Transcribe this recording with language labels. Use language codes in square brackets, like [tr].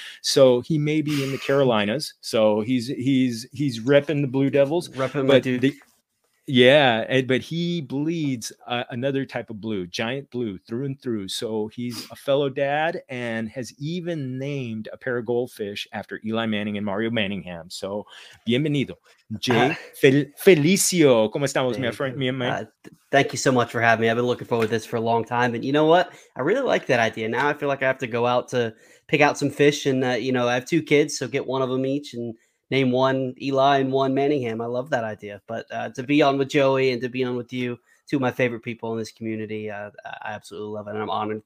[en] So he may be in the Carolinas, so he's repping the Blue Devils. Repping my dude. But he bleeds another type of blue, giant blue, through and through. So he's a fellow dad and has even named a pair of goldfish after Eli Manning and Mario Manningham. So bienvenido, Jay Felicio. [es] ¿Cómo estamos, mi friend? [en] Thank you so much for having me. I've been looking forward to this for a long time. And you know what? I really like that idea. Now I feel like I have to go out to pick out some fish. And, I have two kids, so get one of them each and name one Eli and one Manningham. I love that idea. But to be on with Joey and to be on with you, two of my favorite people in this community, I absolutely love it. And I'm honored.